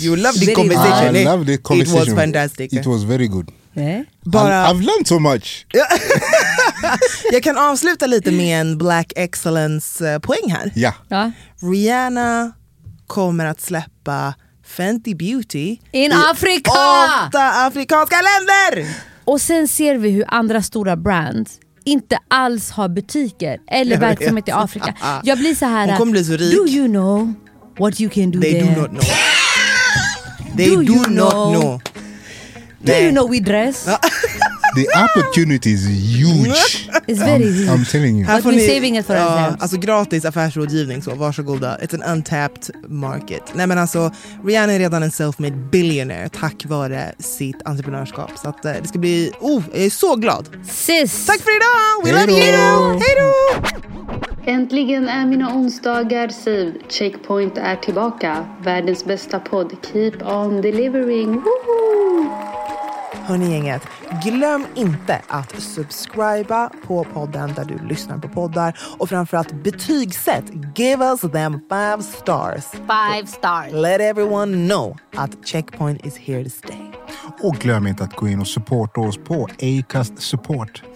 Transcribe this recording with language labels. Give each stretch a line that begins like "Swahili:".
English: You loved the conversation. I loved the conversation. It was fantastic. It was very good. Yeah.
Swedish: Bara,
English: I've learned so much.
Swedish: Jag kan avsluta lite med en Black Excellence poäng här. Ja. Ja. Rihanna kommer att släppa Fenty Beauty in i Afrika. 8 afrikanska länder. Och sen ser vi hur andra stora brands inte alls har butiker eller verksamhet i Afrika. Jag blir så här, hon kommer bli så rik.
English: Do you know what you can do they there? They do not know. They do not know. Do you know we dress? The opportunity is huge. It's very huge. I'm telling you. But we're saving it for ourselves.
Swedish: Alltså gratis affärsrådgivning, så varsågoda.
English: It's an untapped market.
Swedish: Nej, men alltså, Rihanna är redan en
English: self-made billionaire
Swedish: tack vare sitt entreprenörskap. Så att, det ska bli... jag är så glad.
English: Sis.
Swedish: Tack för idag! We Hejdå.
English: Love you!
Swedish: Hej då! Äntligen är mina onsdagar saved. Checkpoint är tillbaka. Världens bästa podd.
English: Keep on delivering.
Swedish: Woohoo! Hörrni gänget, glöm inte att subscriba på podden där du lyssnar på poddar. Och framförallt betygsätt.
English: Give us them 5 stars. 5 stars. Let everyone know
Swedish: att
English: Checkpoint is here to stay.
Swedish: Och glöm inte att gå in och supporta oss på Acast Support.